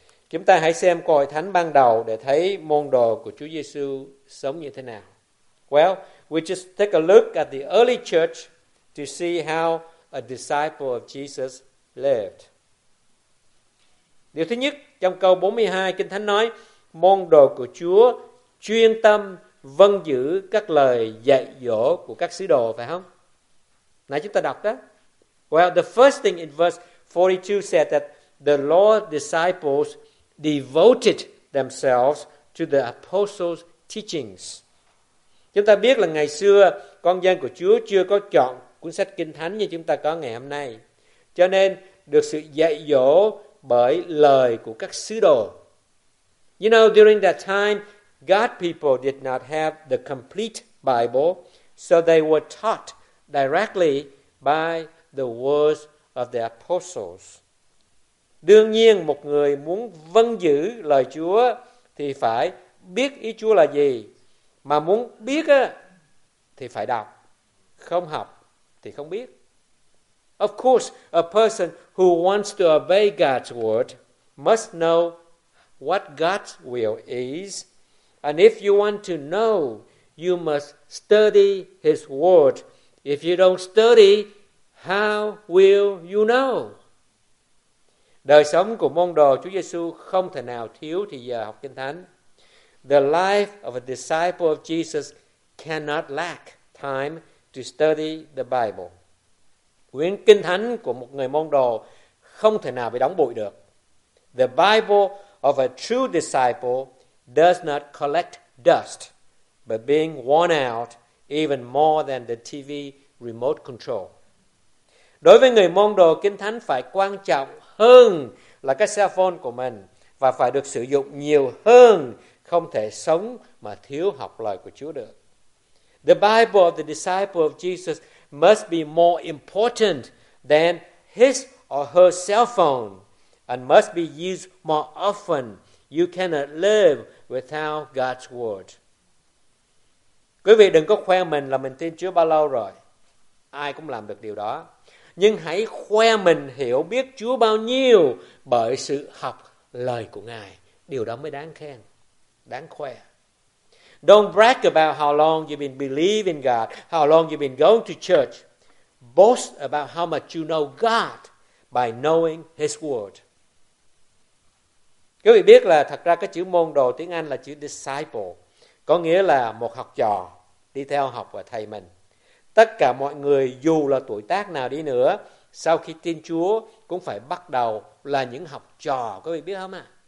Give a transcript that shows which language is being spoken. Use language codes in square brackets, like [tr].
[vi] Chúng ta hãy xem hội thánh ban đầu để thấy môn đồ của Chúa Giêsu sống như thế nào. [en] Well, we just take a look at the early church to see how a disciple of Jesus lived. [vi] Điều thứ nhất, trong câu 42, Kinh Thánh nói, môn đồ của Chúa chuyên tâm vâng giữ các lời dạy dỗ của các sứ đồ, phải không? Nãy chúng ta đọc đó. [en] Well, the first thing in verse 42 said that the Lord's disciples devoted themselves to the apostles' teachings. [vi] Chúng ta biết là ngày xưa con dân của Chúa chưa có chọn cuốn sách Kinh Thánh như chúng ta có ngày hôm nay. Cho nên được sự dạy dỗ bởi lời của các sứ đồ. [en] You know, during that time, God's people did not have the complete Bible, so they were taught directly by the words of the apostles. [vi] Đương nhiên, một người muốn vâng giữ lời Chúa thì phải biết ý Chúa là gì. Mà muốn biết á, thì phải đọc. Không học thì không biết. [en] Of course, a person who wants to obey God's word must know what God's will is. And if you want to know, you must study his word. If you don't study, how will you know? [vi] Đời sống của môn đồ Chúa Giêsu không thể nào thiếu thì giờ học Kinh Thánh. [en] The life of a disciple of Jesus cannot lack time to study the Bible. [vi] Quyển Kinh Thánh của một người môn đồ không thể nào bị đóng bụi được. [en] The Bible of a true disciple does not collect dust, but being worn out even more than the TV remote control. [vi] Đối với người môn đồ, Kinh Thánh phải quan trọng hơn là cái cell phone của mình và phải được sử dụng nhiều hơn, không thể sống mà thiếu học lời của Chúa được. [en] The Bible of the disciple of Jesus must be more important than his or her cell phone and must be used more often. You cannot live without God's word. [vi] Quý vị đừng có khoe mình là mình tin Chúa bao lâu rồi. Ai cũng làm được điều đó. Nhưng hãy khoe mình hiểu biết Chúa bao nhiêu bởi sự học lời của Ngài. Điều đó mới đáng khen, đáng khoe. [en] Don't brag about how long you've been believing God, how long you've been going to church. Boast about how much you know God by knowing his word. [vi] Quý vị biết là thật ra cái chữ môn đồ tiếng Anh là chữ disciple, có nghĩa là một học trò đi theo học và thầy mình. Tất cả mọi người dù là tuổi tác nào đi nữa, sau khi tin Chúa cũng phải bắt đầu là những học trò, quý vị biết không ạ?